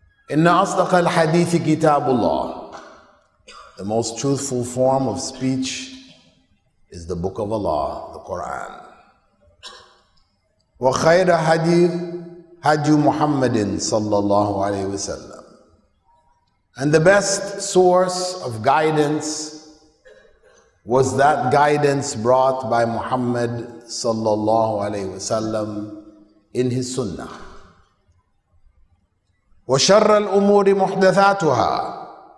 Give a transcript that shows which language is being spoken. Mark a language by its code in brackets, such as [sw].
[ar] إن أصدق الحديث كتاب الله. [en] The most truthful form of speech is the book of Allah, the Quran. [ar] وخير حديث هدي محمد صلى الله عليه وسلم. [en] And the best source of guidance was that guidance brought by Muhammad صلى الله عليه وسلم in his sunnah. [ar] وَشَرَّ الْأُمُورِ مُحْدَثَاتُهَا.